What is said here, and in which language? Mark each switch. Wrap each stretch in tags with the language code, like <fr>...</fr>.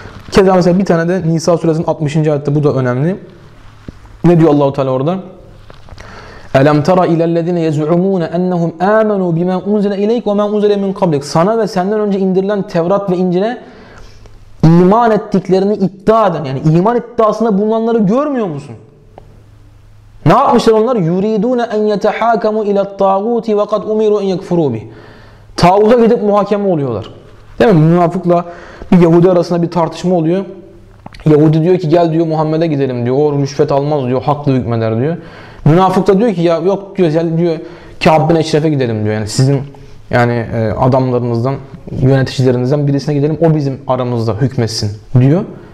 <tr>Keza mesela bir tane de Nisa suresinin 60. ayette, bu da önemli. Ne diyor Allah-u Teala orada?</tr> <ar>أَلَمْ تَرَ اِلَى الَّذِينَ يَزْعُمُونَ اَنَّهُمْ آمَنُوا بِمَا اُنْزِلَ اِلَيْكَ وَمَا اُنْزِلَ مِنْ قَبْلِكَ,</ar> <tr>sana ve senden önce indirilen Tevrat ve İncil'e iman ettiklerini iddia eden, yani iman iddiasında bulunanları görmüyor musun? Ne yapmışlar onlar?</tr> <ar>يُرِيدُونَ اَنْ يَتَحَاكَمُوا اِلَى الطَّاغُوتِ وَقَدْ اُمِرُوا اَنْ يَكْفُرُوا بِهِ,</ar> <tr>tağuta gidip muhakeme oluyorlar. Değil mi? Münafıkla bir Yahudi arasında bir tartışma oluyor. Yahudi diyor ki gel diyor Muhammed'e gidelim diyor. O rüşvet almaz diyor, haklı hükmeder diyor. Münafık da diyor ki ya yok diyor, gel diyor Kâb'ın Eşref'e gidelim diyor. Yani sizin yani adamlarınızdan, yöneticilerinizden birisine gidelim, o bizim aramızda hükmetsin diyor.</tr>